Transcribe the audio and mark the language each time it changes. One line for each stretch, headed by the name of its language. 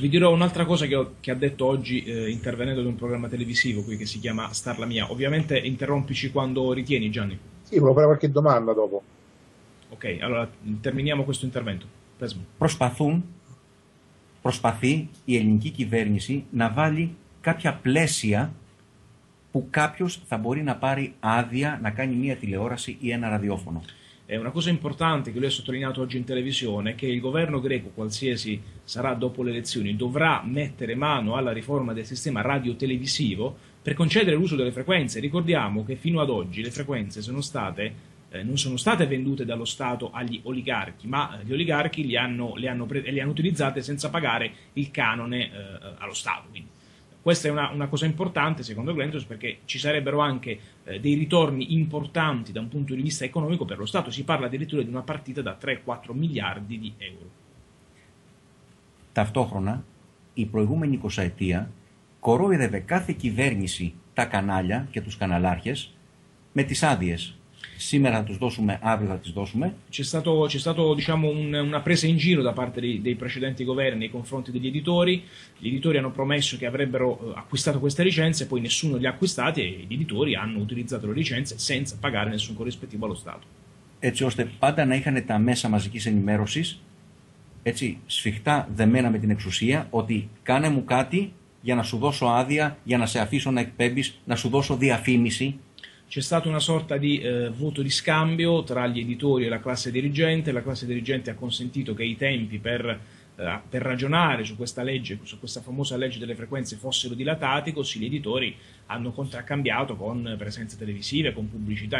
Italian: Vi dirò un'altra cosa che ha detto oggi intervenendo ad un programma televisivo qui che si chiama Σταρ Λαμία. Ovviamente interrompici quando ritieni, Gianni. Sì, volevo fare qualche domanda dopo. Ok, allora terminiamo questo intervento.
Greek: Προσπαθούν προσπαθεί η ελληνική κυβέρνηση να βάλει κάποια πλαίσια που κάποιος θα μπορεί να πάρει άδεια να κάνει μια τηλεόραση ή ένα ραδιόφωνο.
Italian: Una cosa importante che lui ha sottolineato oggi in televisione è che il governo greco, qualsiasi sarà dopo le elezioni, dovrà mettere mano alla riforma del sistema radio-televisivo per concedere l'uso delle frequenze. Ricordiamo che fino ad oggi le frequenze sono state, non sono state vendute dallo Stato agli oligarchi, ma gli oligarchi le hanno utilizzate senza pagare il canone allo Stato. Quindi, questa è una cosa importante, secondo Glentos, perché ci sarebbero anche dei ritorni importanti da un punto di vista economico per lo Stato. Si parla addirittura di una partita da 3-4 miliardi di euro.
Greek: Ταυτόχρονα, η προηγούμενη 20ετία κορόιδευε κάθε κυβέρνηση τα κανάλια και τους καναλάρχες με τις άδειες. Σήμερα θα τους δώσουμε, αύριο θα τις δώσουμε.
Italian: C'è stato diciamo una presa in giro da parte dei precedenti governi nei confronti degli editori. Gli editori hanno promesso che avrebbero acquistato queste licenze, poi nessuno li ha acquistati e gli editori hanno utilizzato le licenze senza pagare nessun corrispettivo allo Stato.
Greek: Έτσι ώστε πάντα να είχαν τα μέσα μαζικής ενημέρωσης, έτσι σφιχτά δεμένα με την εξουσία, ότι κάνε μου κάτι για να σου δώσω άδεια, για να σε αφήσω να εκπέμπεις, να σου δώσω διαφήμιση.
Italian: C'è stata una sorta di voto di scambio tra gli editori e la classe dirigente. La classe dirigente ha consentito che i tempi per ragionare su questa legge, su questa famosa legge delle frequenze, fossero dilatati, così gli editori hanno contraccambiato con presenze televisive, con pubblicità.